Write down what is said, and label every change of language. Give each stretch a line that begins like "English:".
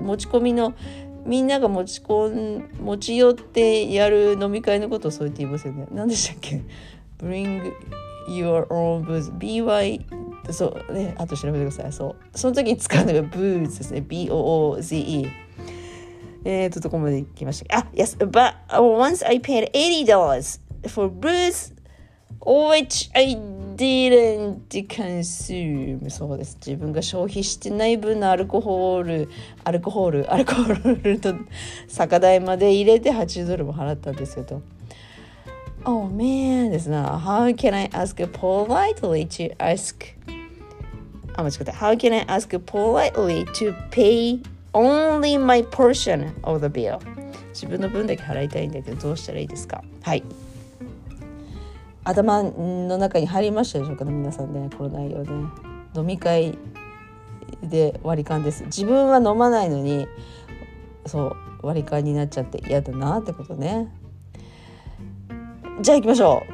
Japanese: 持ち込みの、みんなが持ち寄ってやる飲み会のことをそう言って言いますよね。何でしたっけ ?
English: Bring your own booze.
Japanese: BY。 そうね。あと調べてください。そう。その時に使うのが booze ですね。B-O-O-Z-E。どこまで行きましたか。
English: Yes. But once I paid $80 for booze, which I didn't consume.
Japanese: そうです。自分が消費してない分のアルコールと酒代まで入れて80ドルも払ったんですけど。
English: Oh man, this is not. How can I ask politely to ask? How can I ask politely to pay only my portion of the bill?
Japanese: 自分の分だけ払いたいんだけど、どうしたらいいですか。はい。頭の中に入りましたでしょうかね、皆さんね、この内容で、ね、飲み会で割り勘です。自分は飲まないのに、そう、割り勘になっちゃって嫌だなってことね。じゃあ行きましょう。